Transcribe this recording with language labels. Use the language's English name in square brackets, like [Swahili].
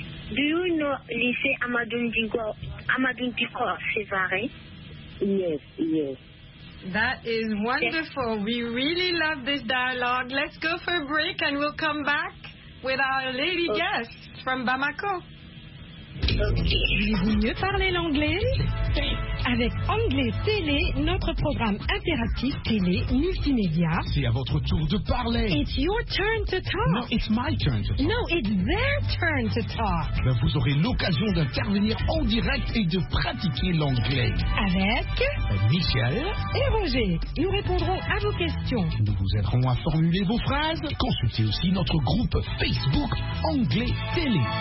[English] Do you know Lycée Amadou Diko Sevare? Yes. That is wonderful. Yes. We really love this dialogue. Let's go for a break and we'll come back with our lady guest from Bamako. [French] Voulez-vous mieux parler l'anglais? Avec Anglais Télé, notre programme interactif télé multimédia. C'est à votre tour de parler. [English] It's your turn to talk. No, it's my turn to talk. No, it's their turn to talk. [French] Ben, vous aurez l'occasion d'intervenir en direct et de pratiquer l'anglais. Avec Michel et Roger. Nous répondrons à vos questions. Nous vous aiderons à formuler vos phrases. Consultez aussi notre groupe Facebook Anglais Télé.